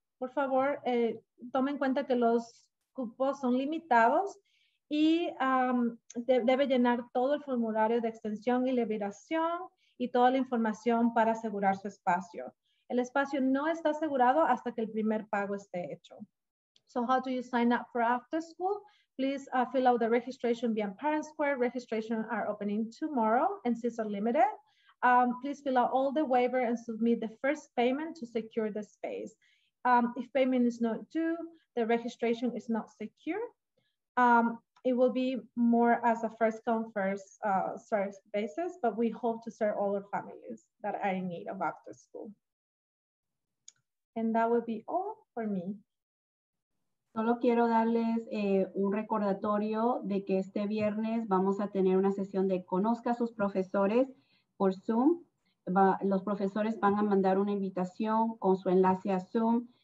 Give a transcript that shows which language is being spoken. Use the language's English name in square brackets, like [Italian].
[Spanish] Por favor, tome en cuenta que los cupos son limitados y debe llenar todo el formulario de extensión y liberación y toda la información para asegurar su espacio. El espacio no está asegurado hasta que el primer pago esté hecho. [English] So how do you sign up for after school? Please fill out the registration via Parent Square. Registration are opening tomorrow and seats are limited. Please fill out all the waiver and submit the first payment to secure the space. If payment is not due, the registration is not secure. It will be more as a first come first serve basis, but we hope to serve all our families that are in need of after school. And that will be all for me. [Spanish] Solo quiero darles un recordatorio de que este viernes vamos a tener una sesión de Conozca a sus profesores por Zoom. Los profesores van a mandar una invitación con su enlace a Zoom.